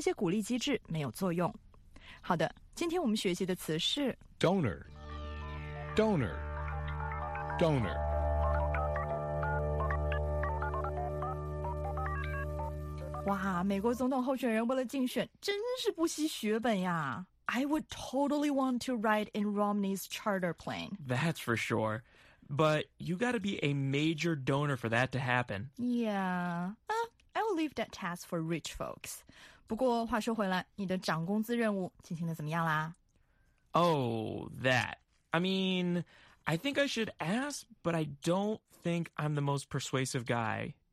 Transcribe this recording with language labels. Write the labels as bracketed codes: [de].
[zh] 美国有16个州对器官捐赠者提供税收方面的优惠，但最近有研究发现这些鼓励机制没有作用。好的，今天我们学习的词是 [en] donor, donor, donor. [zh] 哇，美国总统候选人为了竞选，真是不惜血本呀！ [en] I would totally want to ride in Romney's charter plane. That's for sure, but you got to be a major donor for that to happen. Yeah, I will leave that task for rich folks. [zh] 不过话说回来，你的涨工资任务进行的怎么样啦？ [en] Oh, that. I mean, I think I should ask, but I don't think I'm the most persuasive guy.